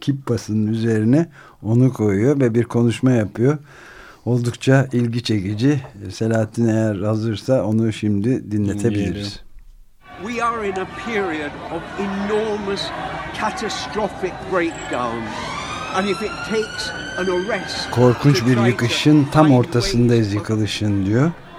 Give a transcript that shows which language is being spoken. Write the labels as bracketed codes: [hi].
[tr] Kippasının üzerine onu koyuyor ve bir konuşma yapıyor. Oldukça ilgi çekici. Selahattin eğer hazırsa onu şimdi dinletebiliriz. [en] We are in a period of enormous catastrophic breakdown. And if it takes an arrest, [tr] korkunç bir yıkışın tam ortasındayız, yıkılışın diyor.